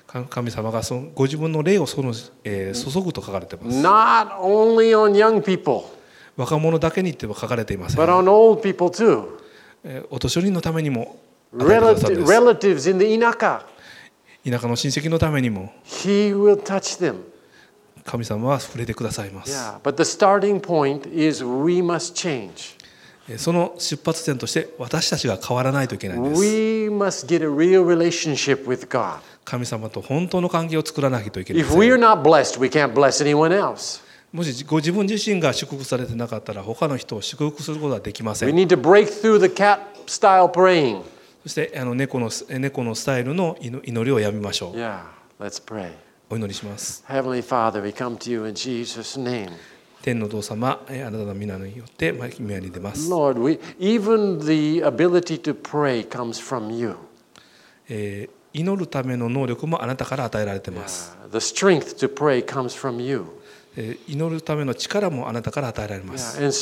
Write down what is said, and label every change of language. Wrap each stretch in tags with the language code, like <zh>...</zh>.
<ja>神様がそのご自分の霊をその、注ぐと書かれています。</ja> <en>Not only on young people.</en> <ja>若者だけにっては書かれていません。</ja> <en>But on old people too.</en> <ja>お年寄りのためにも、</ja> <en>relatives in the 田舎、</en> <ja>田舎の親戚のためにも、</ja> <en>He will touch them.</en> <ja>神様は触れてくださいます。</ja> <en>Yeah, but the starting point is we must change.</en> <ja>その出発点として私たちが変わらないといけないんです。</ja> <en>We must get a real relationship with God.</en> <ja>神様と本当の関係を作らなきゃいけない。</ja> <en>If we are not blessed, we can't bless anyone else.</en> <ja>もしご自分自身が祝福されてなかったら他の人を祝福することはできません。</ja> <en>We need to break through the cat style praying.</en> <ja>そして猫のスタイルの祈りをやめましょう。</ja> <en>Yeah, let's pray.</en> <ja>お祈りします。</ja> <en>Heavenly Father, we come to you in Jesus' name.</en> <ja>天の父様、あなたの御名によって御名に出ます。</ja> <en>Lord, we even the ability to pray comes from you.</en> <ja>祈るための能力もあなたから与えられています。</ja> <en>Yeah, the strength to pray comes from you.</en> <ja>祈るための力もあなたから与えられます。</ja>